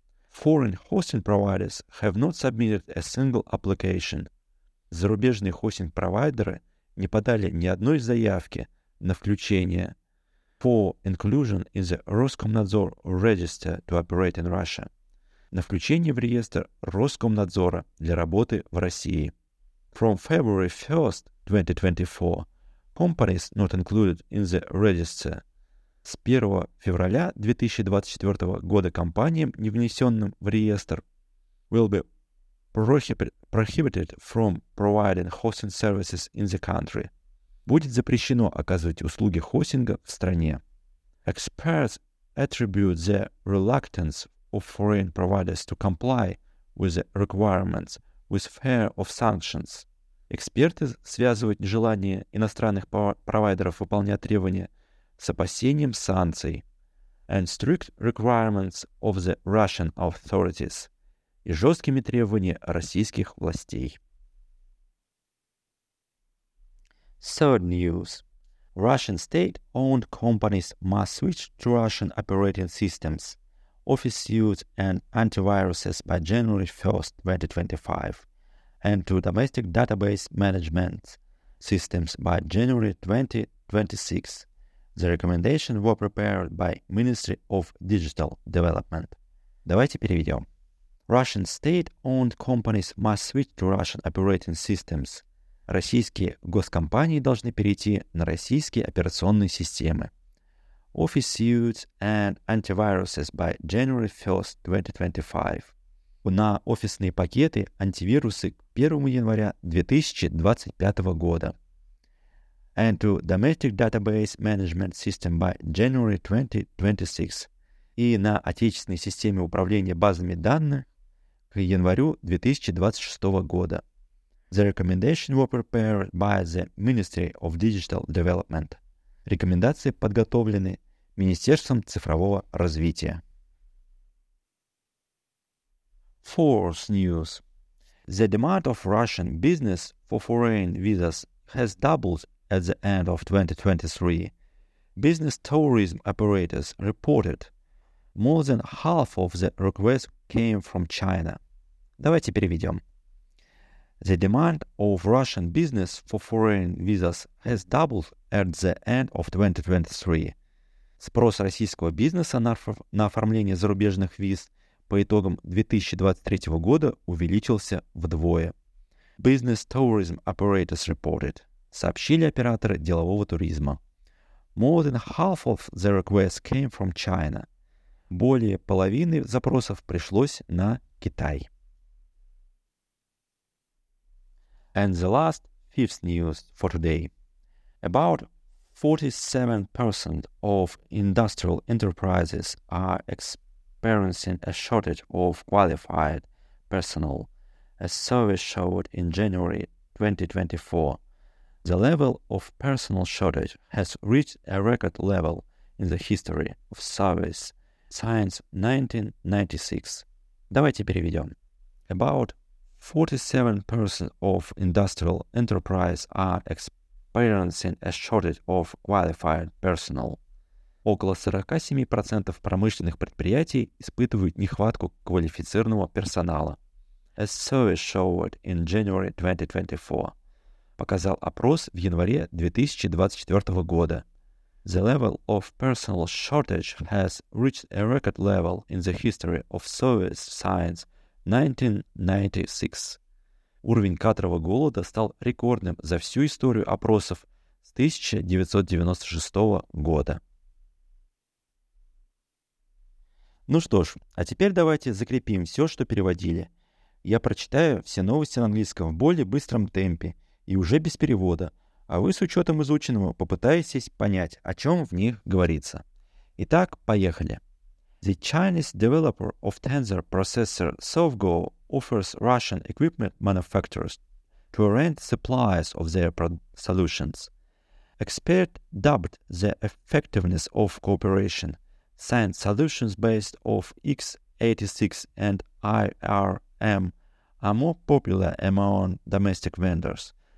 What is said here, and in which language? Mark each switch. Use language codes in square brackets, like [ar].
[en] Foreign hosting providers have not submitted a single application. [ru] Зарубежные хостинг-провайдеры не подали ни одной заявки на включение [en] for inclusion in the Roskomnadzor register to operate in Russia. [ru] На включение в реестр Роскомнадзора для работы в России. [en] From February 1st, 2024, companies not included in the register. [ru] С 1 февраля 2024 года компаниям, не внесенным в реестр, [en] will be prohibited from providing hosting services in the country. [ru] Будет запрещено оказывать услуги хостинга в стране. [en] Experts attribute the reluctance of foreign providers to comply with the requirements with fear of sanctions. [ru] Эксперты связывают нежелание иностранных провайдеров выполнять требования с опасением санкций [en] and strict requirements of the Russian authorities [ru] и жесткими требованиями российских властей. [en] Third news. Russian state-owned companies must switch to Russian operating systems, office suites and antiviruses by January 1, 2025. And to domestic database management systems by January 2026. The recommendations were prepared by Ministry of Digital Development. [ru] Давайте переведем. [en] Russian state-owned companies must switch to Russian operating systems. [ru] Российские госкомпании должны перейти на российские операционные системы. [en] Office suits and antiviruses by January 1st, 2025. [ru] На офисные пакеты антивирусы к 1 января 2025 года. [en] And to domestic database management system by January 2026. [ru] И на отечественной системе управления базами данных к январю 2026 года. [en] The recommendations were prepared by the Ministry of Digital Development. [ru] Рекомендации подготовлены Министерством цифрового развития. [en] Fourth news. The demand of Russian business for foreign visas has doubled at the end of 2023. Business tourism operators reported more than half of the requests came from China. [ru] Давайте переведем. [en] The demand of Russian business for foreign visas has doubled at the end of 2023. [ru] Спрос российского бизнеса на оформление зарубежных виз по итогам 2023 года увеличился вдвое. [en] Business tourism operators reported. [ru] Сообщили операторы делового туризма. [en] More than half of the requests came from China. [ru] Более половины запросов пришлось на Китай. [en] And the last fifth news for today. About 47% of industrial enterprises are experiencing a shortage of qualified personnel, a survey showed in January 2024. The level of personnel shortage has reached a record level in the history of surveys since 1996. [ru] Давайте переведем. [en] About 47% of industrial enterprises are experiencing a shortage of qualified personnel. [ru] Около 47% промышленных предприятий испытывают нехватку квалифицированного персонала. [en] A survey showed in January 2024. [ru] Показал опрос в январе 2024 года. [en] The level of personnel shortage has reached a record level in the history of service science 1996. [ru] Уровень кадрового голода стал рекордным за всю историю опросов с 1996 года. Ну что ж, а теперь давайте закрепим все, что переводили. Я прочитаю все новости на английском в более быстром темпе и уже без перевода, а вы с учетом изученного попытаетесь понять, о чем в них говорится. Итак, поехали. [en] The Chinese developer of Tensor processor SoftGo offers Russian equipment manufacturers to arrange supplies of their solutions. Experts doubt the effectiveness of cooperation, since solutions based on x86 and IRM are more popular among domestic vendors.